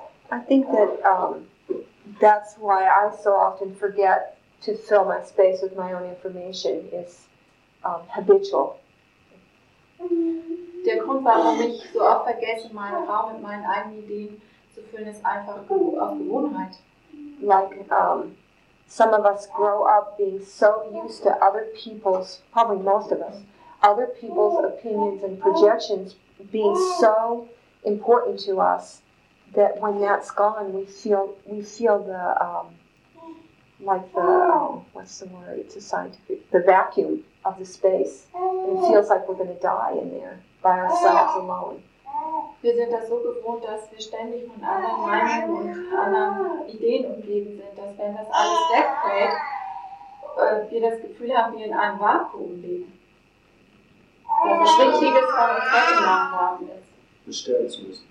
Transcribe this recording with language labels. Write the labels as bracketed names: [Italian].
[English] I think that that's why I so often forget to fill my space with my own information is habitual. [German] Der Grund, warum ich so oft vergesse, meinen Raum mit meinen eigenen Ideen zu füllen, ist einfach auf Gewohnheit. [English] Like some of us grow up being so used to other people's, probably most of us, other people's opinions and projections being so important to us that when that's gone, we feel the the vacuum of the space. And it feels like we're going to die in there by ourselves alone. [German] Wir sind das so gewohnt, dass wir ständig von anderen Meinungen und anderen Ideen umgeben sind, dass wenn das alles wegfällt, wir das Gefühl haben, wir in einem Vakuum leben. Dass es Wichtiges von uns weggenommen worden ist. Sterben zu müssen.